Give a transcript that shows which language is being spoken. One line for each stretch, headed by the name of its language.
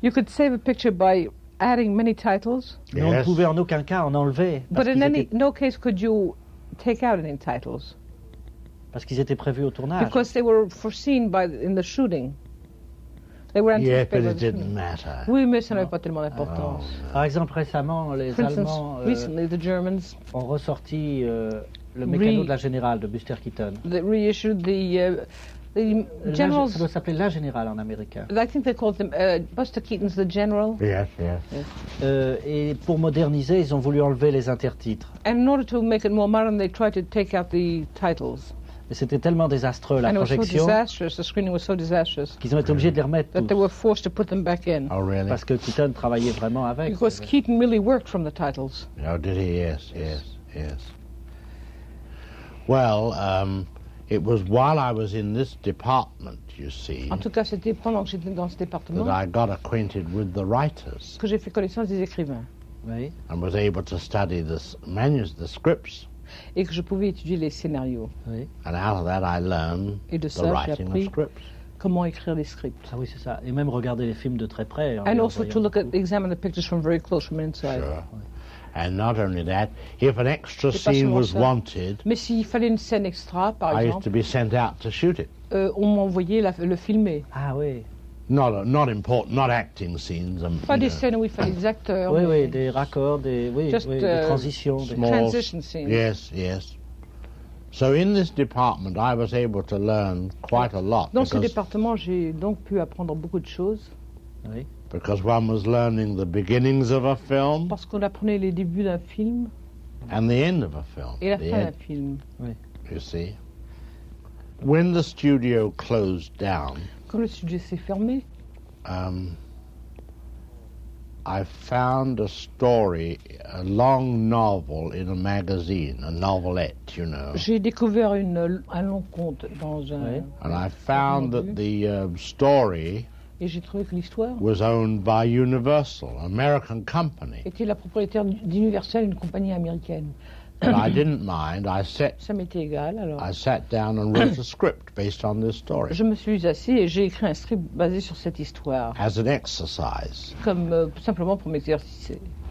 English: You could save a picture by adding many titles.
French: Mais on ne pouvait en aucun cas en enlever.
English: But in no case could you take out any titles.
French: Parce qu'ils étaient prévus au tournage.
English: Because they were foreseen in the shooting. They were anticipated. Yeah, but it didn't matter.
French: Oui, mais ça n'avait pas tellement d'importance. Par exemple, récemment, les Allemands
English: recently, the Germans
French: ont ressorti le mécano de la générale de Buster Keaton.
English: They reissued the the generals.
French: Ça doit s'appeler La Générale en américain.
English: I think they called them Buster Keaton's The General. Yes, yes.
French: Et pour moderniser, ils ont voulu enlever les intertitres.
English: And in order to make it more modern, they tried to take out the titles.
French: Mais c'était tellement désastreux la
English: and
French: projection.
English: It was so disastrous. The screening was so disastrous.
French: Qu'ils ont été obligés de les remettre.
English: That
French: tous.
English: They were forced to put them back in. Oh really?
French: Parce que Keaton travaillait vraiment avec.
English: Because Keaton really worked from the titles. Oh, did he? Yes, yes, yes. Well. It was while I was in this department, you see.
French: En tout cas, c'était pendant que j'étais dans ce département.
English: That I got acquainted with the writers.
French: Que j'ai fait connaissance des écrivains.
English: and was able to study this manuscript, the scripts.
French: Et que je pouvais étudier les scénarios. Oui.
English: And out of that I learned the writing of scripts.
French: Comment écrire les scripts. Ah oui, c'est ça. Et même regarder les films de très près.
English: And also to look at, examine the pictures from very close, from inside. Sure. And not only that, if an extra scene was wanted,
French: mais s'il fallait une scène extra, par
English: exemple, I used to be sent out to shoot it.
French: On m'envoyait le filmer. Ah oui.
English: Not important, not acting scenes.
French: Pas des scènes où il fallait des acteurs. Oui, oui, des raccords, des transitions.
English: Small transition scenes. Yes, yes. So in this department, I was able to learn quite a lot.
French: Dans ce département, j'ai donc pu apprendre beaucoup de choses. Oui.
English: Because one was learning the beginnings of a film.
French: Parce qu'on apprenait les débuts d'un film.
English: And the end of a film.
French: Et la fin d'un film. Oui.
English: You see. When the studio closed down.
French: Quand le studio s'est fermé.
English: I found a story, a long novel in a magazine, a novelette, you know.
French: J'ai découvert un long conte dans un. Oui.
English: And I found that the story.
French: Et j'ai trouvé que l'histoire
English: was owned by Universal, American company.
French: Était la propriétaire d'Universal, une compagnie américaine.
English: But I didn't mind. I sat.
French: Ça m'était égal alors.
English: I sat down and wrote a script based on this story.
French: Je me suis assis et j'ai écrit un script basé sur cette histoire.
English: As an exercise.
French: Comme simplement pour m'exercer.